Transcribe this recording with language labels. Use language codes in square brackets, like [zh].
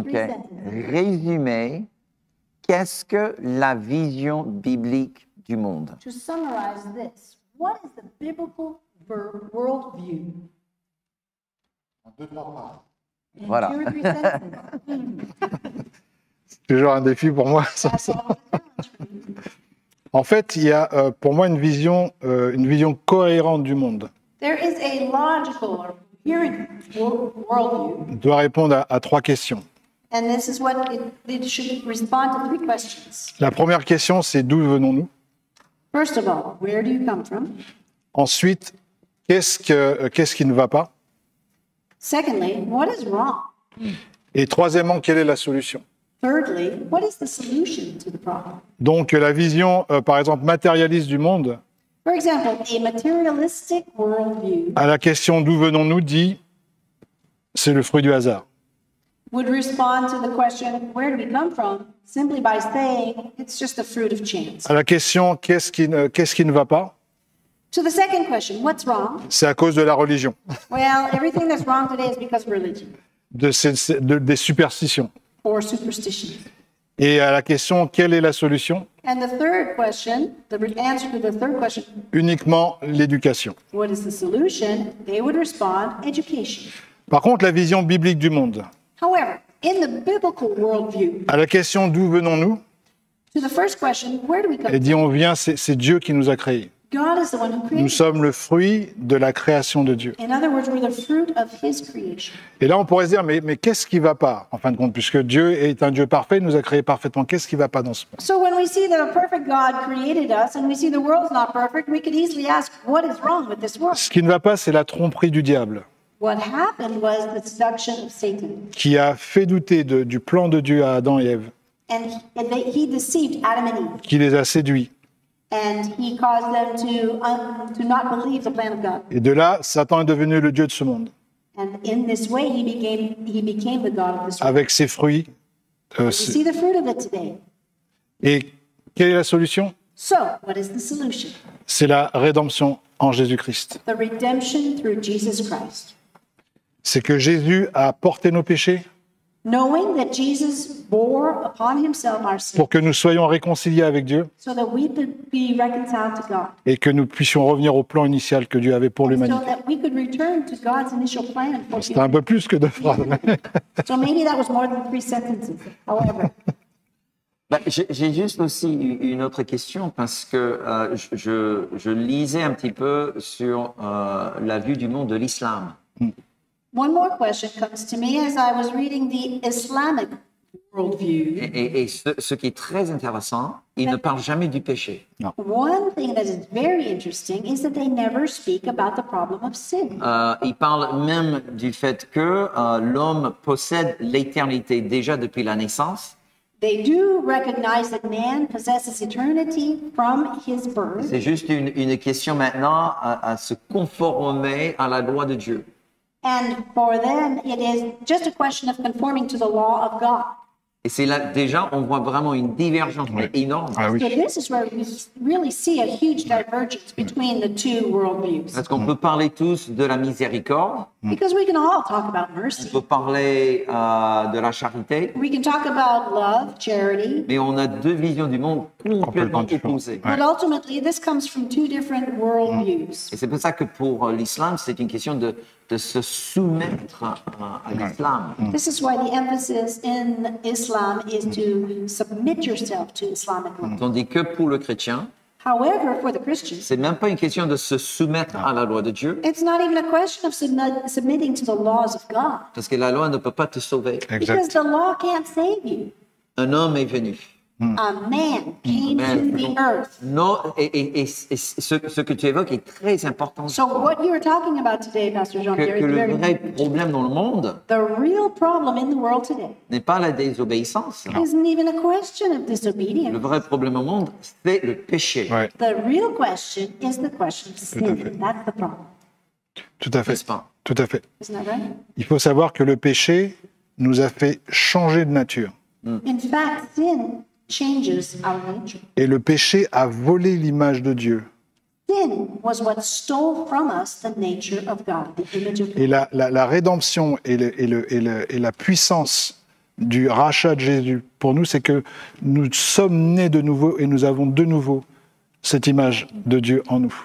[en] okay. sentences? [fr] Résumé, qu'est-ce que la vision biblique du monde? [en] To summarize this. What is the biblical worldview? [fr] En deux trois phrases. Voilà. C'est toujours un défi pour moi. En fait, il y a pour moi une vision cohérente du monde. [en] There is a logical or coherent worldview. [fr] Doit répondre à trois questions. [en] And this is what it should respond to three questions. [fr] La première question, c'est d'où venons-nous? [en] First of all, where do you come from? [fr] Ensuite, qu'est-ce qui ne va pas? [en] Secondly, what is wrong? [fr] Et troisièmement, quelle est la solution? [en] Thirdly, what is the solution to the problem? [fr] Donc, la vision, par exemple, matérialiste du monde. [en] For example, the materialistic worldview. [fr] À la question d'où venons-nous dit, c'est le fruit du hasard. [en] Would respond to the question, where do we come from? Simply by saying, it's just the fruit of chance. [fr] À la question, qu'est-ce qui ne va pas? [en] To the second question, what's wrong? [fr] C'est à cause de la religion. [en] Well, everything that's wrong today is because of religion. [fr] Des superstitions. [en] Or superstitions. [fr] Et à la question, quelle est la solution? [en] And the third question, the answer to the third question. [fr] Uniquement l'éducation. [en] What is the solution? They would respond, education. [fr] Par contre, la vision biblique du monde. [en] However, in the biblical worldview, [fr] à la question d'où venons-nous? [en] To the first question, where do we come? [fr] Et dit on vient, c'est Dieu qui nous a créés. [en] God is the one who created. [fr] Nous sommes le fruit de la création de Dieu. [en] In other words, we're the fruit of His creation. [fr] Et là, on pourrait se dire, mais qu'est-ce qui ne va pas, en fin de compte, puisque Dieu est un Dieu parfait, il nous a créés parfaitement. Qu'est-ce qui ne va pas dans ce monde? [en] So when we see that a perfect God created us and we see the world's not perfect, we could easily ask, what is wrong with this world? [fr] Ce qui ne va pas, c'est la tromperie du diable. [en] What happened was the seduction of Satan. [fr] Qui a fait douter du plan de Dieu à Adam et Ève. [en] And he deceived Adam and Eve. [fr] Qui les a séduits. [en] And he caused them to not believe the plan of God. [fr] Et de là, Satan est devenu le Dieu de ce monde. [en] And in this way, he became the God of this world. [fr] Avec ses fruits. [en] You see the fruit of it today. [fr] Et quelle est la solution? [en] So, what is the solution? [fr] C'est la rédemption en Jésus-Christ. [en] The redemption through Jesus Christ. [fr] C'est que Jésus a porté nos péchés [en] knowing that Jesus bore upon himself our sins, [fr] pour que nous soyons réconciliés avec Dieu [en] so that we could be reconciled to God, [fr] et que nous puissions revenir au plan initial que Dieu avait pour l'humanité. [en] So that we could return to God's initial plan for humanity. [fr] C'était un peu plus que deux phrases. [en] So maybe that was more than three sentences. However, [fr] bah, j'ai juste aussi une autre question parce que je lisais un petit peu sur la vue du monde de l'islam. [en] One more question comes to me as I was reading the Islamic worldview. [fr] Et ce qui est très intéressant, ils ne parlent jamais du péché. Non. [en] One thing that is very interesting is that they never speak about the problem of sin. [fr] Ils parlent même du fait que l'homme possède l'éternité déjà depuis la naissance. [en] They do recognize that man possesses eternity from his birth. [fr] C'est juste une question maintenant à se conformer à la loi de Dieu. [en] And for them, it is just a question of conforming to the law of God. [fr] Et c'est là, déjà, on voit vraiment une divergence oui. énorme. Ah, oui. [en] So this is where we really see a huge divergence between the two worldviews. [fr] Parce qu'on peut parler tous de la miséricorde. [en] Because we can all talk about mercy. [fr] On peut parler de la charité. [en] We can talk about love, charity. [fr] Mais on a deux visions du monde complètement opposées. [en] But ultimately, this comes from two different worldviews. [fr] Et c'est pour ça que pour l'islam, c'est une question de se soumettre à l'islam. Mm. [en] This is why the emphasis in Islam is to submit yourself to Islamic law. [fr] Tandis que pour le chrétien, [en] however, for the Christian, [fr] c'est même pas une question de se soumettre à la loi de Dieu. [en] It's not even a question of submitting to the laws of God. [fr] Parce que la loi ne peut pas te sauver. Exact. [en] Because the law can't save you. [fr] Un homme est venu. Ce que tu évoques est très important. [en] So what you are talking about today, Pastor Jean-Pierre, [fr] que le vrai problème dans le monde, [en] the real problem in the world today, [fr] n'est pas la désobéissance. [en] Isn't even a question of disobedience. [fr] Le vrai problème au monde, c'est le péché. [en] Right. The real question is the question of sin. That's the problem. [fr] Tout à fait. N'est-ce pas? Tout à fait. [en] Isn't that right? [fr] Il faut savoir que le péché nous a fait changer de nature. [en] In fact, sin changes our nature. [fr] Et le péché a volé l'image de Dieu. [en] Sin was what stole from us the nature of God, the image of God. [fr] Et la rédemption et la puissance du rachat de Jésus pour nous, c'est que nous sommes nés de nouveau et nous avons de nouveau cette image de Dieu en nous.